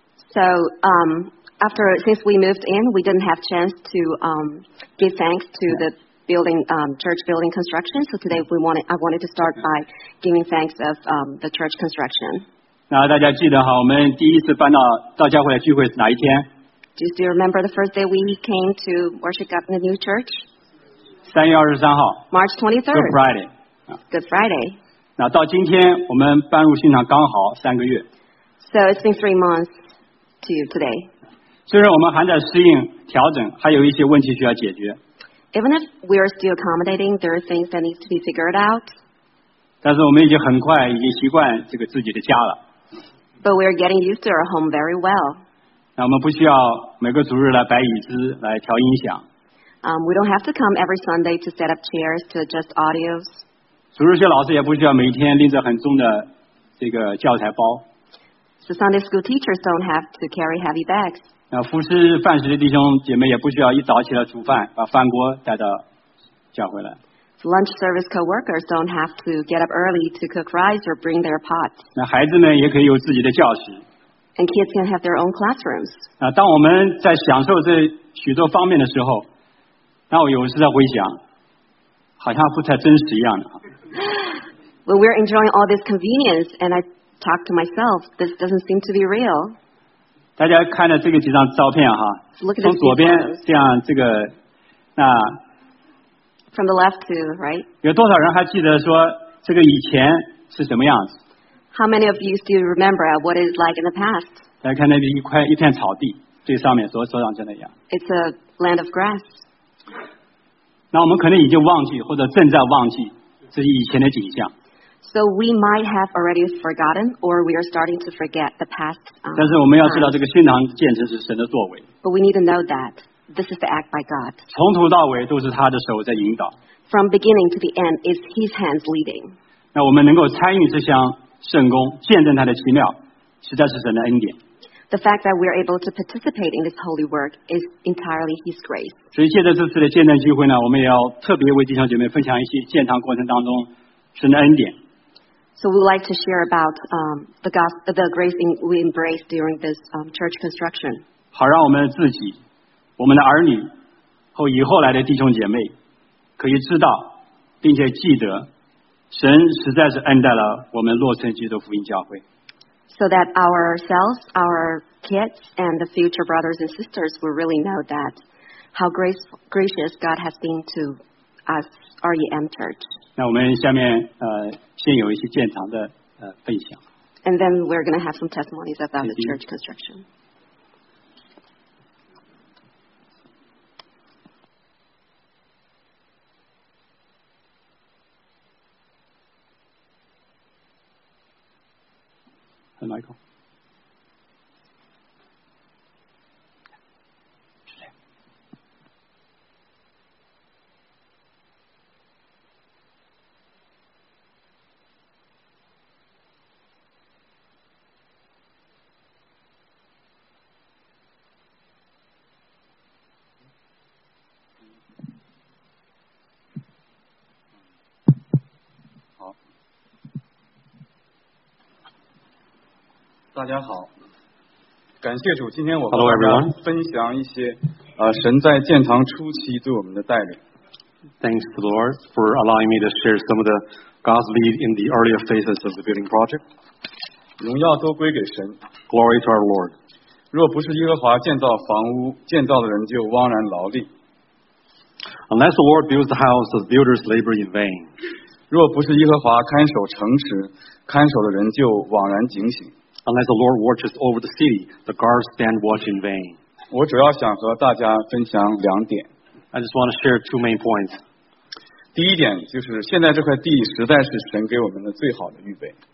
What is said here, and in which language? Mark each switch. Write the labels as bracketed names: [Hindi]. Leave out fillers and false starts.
[English] Since we moved in, we didn't have chance to give thanks to the building church building construction. So today I wanted to start by giving thanks of the church construction. [Chinese] 那大家记得哈，我们第一次搬到教会来聚会是哪一天 [English] ？Do you remember the first day we came to worship God in the new church? [Chinese] 3月23号 [English] March 23rd Good Friday Good Friday [Chinese] 那到今天我们搬入信堂刚好三个月 [English] So it's been 3 months to you today [Chinese] 虽然我们还在适应调整还有一些问题需要解决 [English] Even if we are still accommodating there are things that need to be figured out [Chinese] 但是我们已经很快已经习惯这个自己的家了 [English] But we are getting used to our home very well [Chinese] 那我们不需要每个主日来摆椅子来调音响 [English] We don't have to come every Sunday to set up chairs to adjust audios. [Chinese] 主日学老师也不需要每天拎着很重的这个教材包。 [English] So Sunday school teachers don't have to carry heavy bags. [Chinese] 那服侍饭食的弟兄姐妹也不需要一早起来煮饭，把饭锅带到教会来。 [English] Lunch service co-workers don't have to get up early to cook rice or bring their pots. [Chinese] 那孩子们也可以有自己的教室。 [English] And kids can have their own classrooms. [Chinese] 那当我们在享受这许多方面的时候，那我有时在回想，好像不太真实一样的。 [English] When we're enjoying all this convenience, and I talk to myself, this doesn't seem to be real. [Chinese] 大家看了这个几张照片哈，从左边这样这个，那。 [English] From the left to right. [Chinese] 有多少人还记得说这个以前是什么样子 [English] ？How many of you still remember what it's like in the past? [Chinese] 大家看那边一片草地，最上面所长成那样。 [English] It's a land of grass. [Chinese] 那我们可能已经忘记或者正在忘记这以前的景象。 [English] So we might have already forgotten, or we are starting to forget the past. [Chinese] 但是我们要知道，这个新堂建成是神的作为。 [English] But we need to know that this is the act by God. [Chinese] 从头到尾都是他的手在引导。 [English] From beginning to the end, is His hands leading. [Chinese] 那我们能够参与这项圣功，见证他的奇妙，实在是神的恩典。 [English] The fact that we are able to participate in this holy work is entirely His grace. [Chinese] 所以借着这次的见证机会呢，我们也要特别为弟兄姐妹分享一些建堂过程当中神的恩典。 [English] So we would like to share about the grace we embraced during this church construction. [Chinese] 好让我们自己、我们的儿女和以后来的弟兄姐妹可以知道并且记得神实在是恩待了我们洛城基督福音教会。 [English] So that ourselves, our kids, and the future brothers and sisters will really know that how gracious God has been to us, our EM church. [Chinese] 那我们下面先有一些建堂的分享。 [English] And then we're going to have some testimonies about the church construction. [Chinese] 和 Michael。大家好，感谢主，今天我和大家分享一些神在建堂初期对我们的带领。 [English] Thanks to the Lord for allowing me to share some of the God's lead in the earlier phases of the building project. [Chinese] 荣耀都归给神。 [English] Glory to our Lord. [Chinese] 若不是耶和华建造房屋，建造的人就枉然劳力。 [English] Unless the Lord builds the house, the builders labor in vain. [Chinese] 若不是耶和华看守城池，看守的人就枉然警醒。 [English] Unless the Lord watches over the city, the guards stand watch in vain. [Chinese] 我主要想和大家分享两点。 [English] I just want to share two main points. [Chinese] 第一点就是现在这块地实在是神给我们的最好的预备。